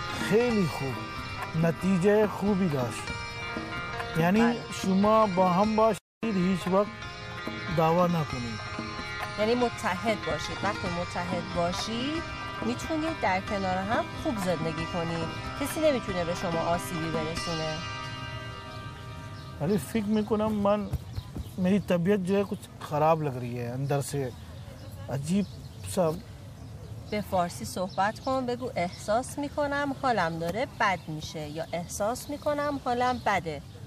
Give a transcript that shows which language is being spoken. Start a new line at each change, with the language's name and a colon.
Persian: خیلی خوب، نتیجه خوبی داشت. یعنی شما با هم باشید، هیچ وقت دعوا نکنید. یعنی متحد باشید. وقتی متحد باشید میتونید در کنار هم خوب زندگی کنید. کسی نمیتونه به شما آسیبی برسونه. ولی فکر میکنم من،
Urdu: میری طبیعت جو ہے کچھ خراب لگ رہی ہے اندر سے، عجیب سا.
Persian: به فارسی صحبت کن، بگو احساس میکنم حالم داره بد میشه، یا احساس میکنم حالم بده.